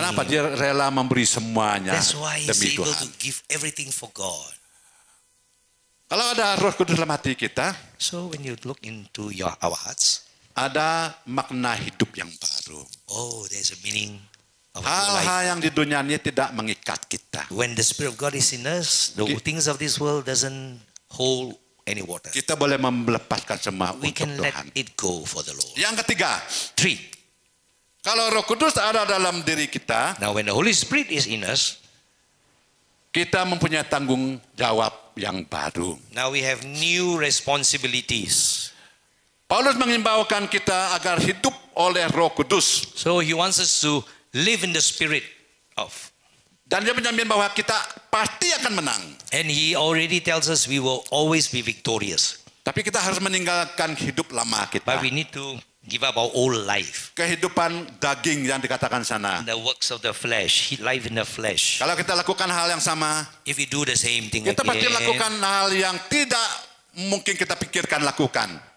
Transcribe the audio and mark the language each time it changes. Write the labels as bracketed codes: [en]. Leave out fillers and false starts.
[id] Kenapa dia rela memberi semuanya demi Tuhan? [en] That's why he's able to give everything for God. [id] Kalau ada Roh Kudus dalam hati kita, [en] so when you look into our hearts, [id] ada makna hidup yang baru. [en] Oh, there's a meaning of [id] hal-hal yang di dunia ini tidak mengikat kita. [en] When the Spirit of God is in us, the things of this world doesn't hold any water. [id] Kita boleh melepaskan semua [en] we can [id] Tuhan. [en] Let it go for the Lord. [id] Yang ketiga, [en] three. [id] Kalau Roh Kudus ada dalam diri kita, [en] now when the Holy Spirit is in us, [id] kita mempunyai tanggung jawab yang baru. [en] Now we have new responsibilities. [id] Paulus mengimbaukan kita agar hidup oleh Roh Kudus. [en] So he wants us to live in the spirit of. [id] Dan dia menjamin bahwa kita pasti akan menang. [en] And he already tells us we will always be victorious. [id] Tapi kita harus meninggalkan hidup lama kita. [en] But we need to give up our old life. [id] Kehidupan daging yang dikatakan sana. [en] And the works of the flesh, life in the flesh. [id] Kalau kita lakukan hal yang sama, [en] if we do the same thing [id] kita pasti lakukan hal yang tidak mungkin kita pikirkan lakukan.